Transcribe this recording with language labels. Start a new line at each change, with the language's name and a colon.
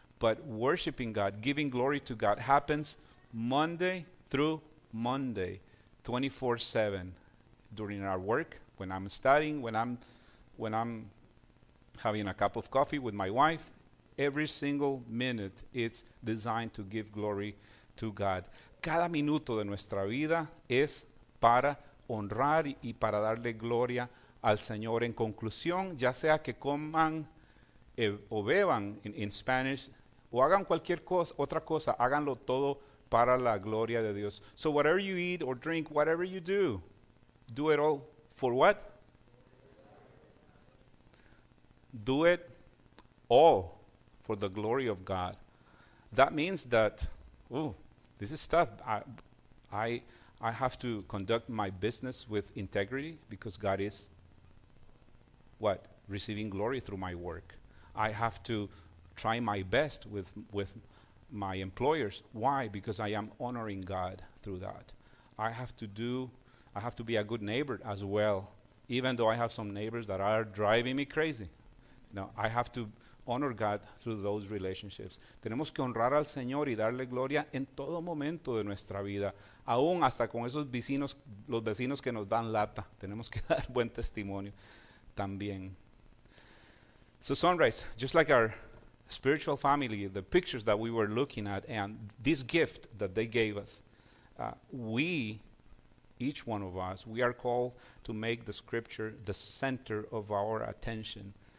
English: But worshiping God, giving glory to God, happens Monday through Monday, 24/7, during our work, when I'm studying, when I'm having a cup of coffee with my wife. Every single minute, it's designed to give glory to God.
Spanish: Cada minuto de nuestra vida es para honrar y para darle gloria al Señor. En conclusión, ya sea que coman o beban
English: in Spanish,
Spanish: o hagan cualquier cosa, otra cosa, háganlo todo para la gloria de Dios.
English: So whatever you eat or drink, whatever you do, do it all for what? Do it all for the glory of God. That means that, this is tough. I have to conduct my business with integrity because God is what? Receiving glory through my work. I have to try my best with my employers. Why? Because I am honoring God through that. I have to be a good neighbor as well, even though I have some neighbors that are driving me crazy. No, I have to honor God through those relationships.
Spanish: Tenemos que honrar al Señor y darle gloria en todo momento de nuestra vida, aún hasta con esos vecinos, los vecinos que nos dan lata. Tenemos que dar buen testimonio también.
English: So Sunrise, just like our spiritual family, the pictures that we were looking at and this gift that they gave us, we, each one of us, we are called to make the scripture the center of our attention.